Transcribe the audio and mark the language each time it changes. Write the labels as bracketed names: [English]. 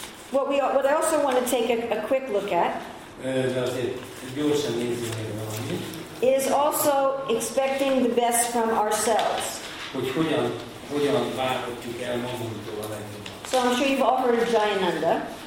[English] What I also want to take a quick look at is also expecting the best from ourselves. [Hungarian] Hogy hogyan várhatjuk el magunktól a legjobbat. [English] So I'm sure you've all heard of Jayananda.